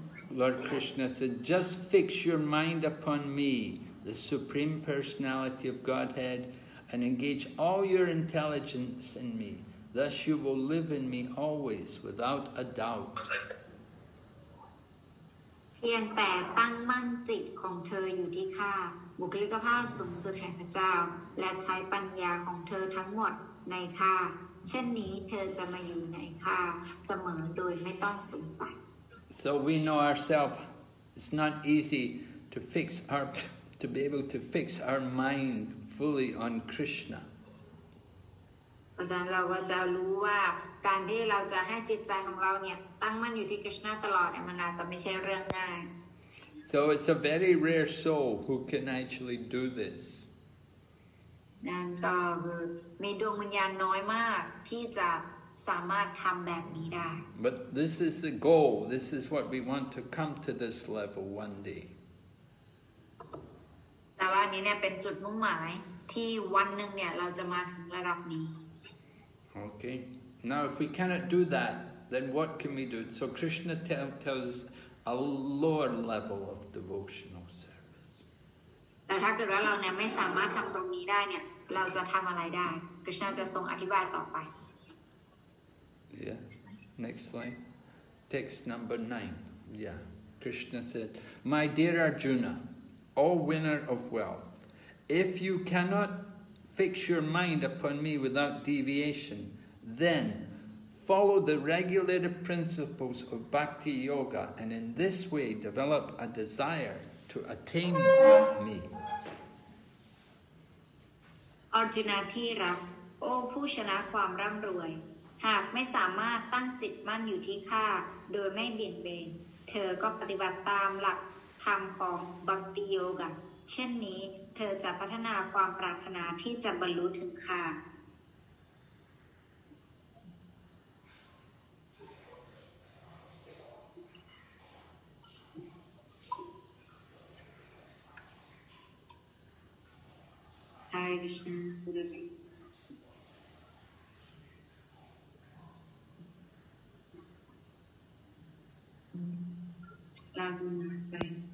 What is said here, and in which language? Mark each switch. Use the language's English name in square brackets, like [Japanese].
[English] Lord Krishna said, just fix your mind upon me, the Supreme Personality of Godhead, and engage all your intelligence in me. Thus you will live in me always without a doubt. [Thai] เพียงแต่ตั้งมั่นจิตของเธออยู่ที่ข้าบุคลิกภาพสูงสุดแห่งพระเจ้าและใช้ปัญญาของเธอทั้งหมดในข้าเช่นนี้เธอจะมาอยู่ในข้าเสมอโดยไม่ต้องสงสัย [English] So we know ourselves it's not easy to fix our to be able to fix our mind fully on Krishna. [Thai] เพราะฉะนั้นเราก็จะรู้ว่าการที่เราจะให้จิตใจของเราเนี่ยตั้งมั่นอยู่ที่คริสต์ตลอดเนี่ยมันอาจจะไม่ใช่เรื่องง่าย [English] So it's a very rare soul who can actually do this [Thai] นั่นก็คือมีดวงวิญญาณน้อยมากที่จะสามารถทำแบบนี้ได้ [English] But this is the goal this is what we want to come to this level one day [Thai] แต่ว่านี้เนี่ยเป็นจุดมุ่งหมายที่วันหนึ่งเนี่ยเราจะมาถึงระดับนี้ [English] Okay. Now, if we cannot do that, then what can we do? So Krishna tells us a lower level of devotional service. But if we cannot do this, then what can we do? So Krishna tells us a lower level of devotional service. Next slide. Text number 9. Yeah. Krishna said, My dear Arjuna, O winner of wealth, if you cannot... Fix your mind upon me without deviation. Then, follow the regulative principles of Bhakti Yoga, and in this way, develop a desire to attain me. [Thai] Arjuna ที่รักโอ้ผู้ชนะความร่ำรวยหากไม่สามารถตั้งจิตมั่นอยู่ที่ข้า โดยไม่เบี่ยงเบนเธอก็ปฏิบัติตามหลักธรรมของ Bhakti Yoga เช่นนี้ เธอจะพัฒนาความปรารถนาที่จะบรรลุถึงค่า Hi Krishna Laguna by